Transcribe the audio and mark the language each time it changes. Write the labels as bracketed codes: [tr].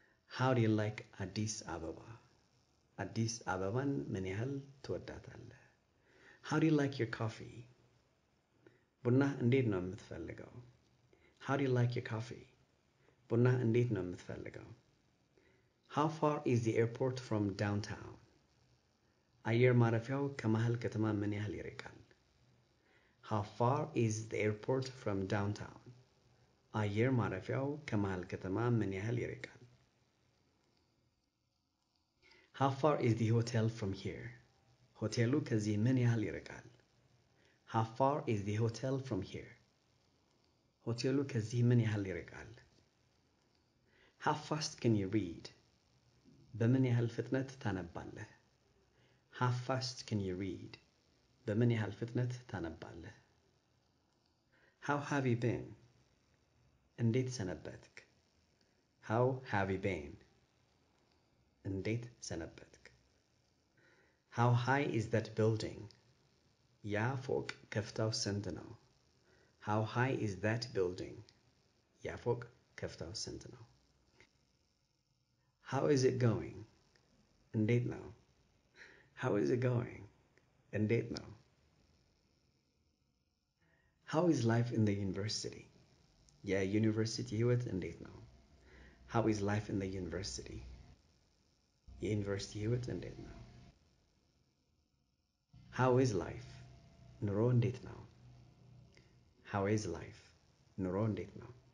[en] How do you like Addis Ababa? [am] አዲስ አበባን ምን ያህል ትወዳታለህ? [en] How do you like your coffee? [am] ቡና እንዴት ነው የምትፈልገው? [en] How do you like your coffee? [am] ቡና እንዴት ነው የምትፈልገው? [en] How far is the airport from downtown? [am] አየር ማረፊያው ከመሃል ከተማ ምን ያህል ይርቃል? [en] How far is the airport from downtown? [am] አየር ማረፊያው ከመሃል ከተማ ምን ያህል ይርቃል? [en] How far is the hotel from here? [am] ሆቴሉ ከዚህ ምን ያህል ይርቃል? [en] How far is the hotel from here? [am] ሆቴሉ ከዚህ ምን ያህል ይርቃል? [en] How fast can you read? [am] በምን ያህል ፍጥነት ታነባለህ? [en] How fast can you read? [am] በምን ያህል ፍጥነት ታነባለህ? [en] How have you been? [am] እንዴት ሰነበትክ? [en] How have you been? [am] እንዴት ሰነበትክ? [en] How high is that building? [am] ያ ፎቅ ከፍታው ስንት ነው? [en] How high is that building? [am] ያ ፎቅ ከፍታው ስንት ነው? [en] How is it going? [am] እንዴት ነው? [en] How is it going? እንዴት ነው? How is life in the university? [am] Yeah, university ህይወት እንዴት ነው? [en] How is life in the university? [am] የዩኒቨርሲቲ ህይወት እንዴት ነው? [en] How is life? [am] ኑሮ እንዴት ነው? [en] How is life? ኑሮ እንዴት ነው?